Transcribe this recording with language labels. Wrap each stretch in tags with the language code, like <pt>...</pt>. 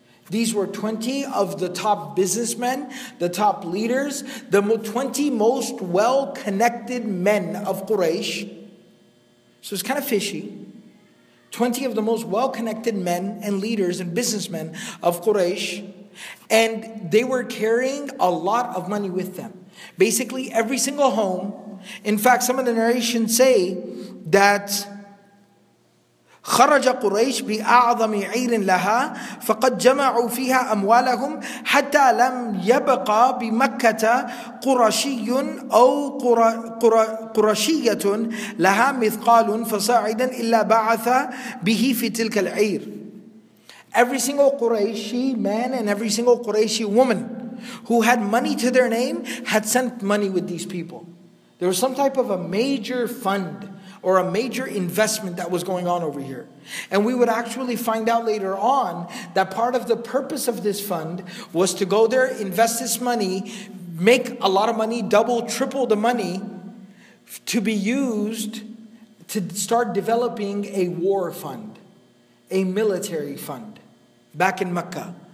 <en>These were 20 of the top businessmen, the top leaders, the 20 most well-connected men of Quraysh. So it's kind of fishy. 20 of the most well-connected men and leaders and businessmen of Quraysh. And they were carrying a lot of money with them. Basically, every single home.</en> <ar>In fact, some of the narrations say that خرج قريش بأعظم عير لها فقد جمعوا فيها أموالهم حتى لم يبقى بمكة قرشي أو قرشية لها مثقال فصاعدا إلا بعث به في تلك العير.</ar> <en>Every single Qurayshi man and every single Qurayshi woman who had money to their name had sent money with these people. There was some type of a major fund or a major investment that was going on over here. And we would actually find out later on that part of the purpose of this fund was to go there, invest this money, make a lot of money, double, triple the money to be used to start developing a war fund, a military fund back in Mecca.</en>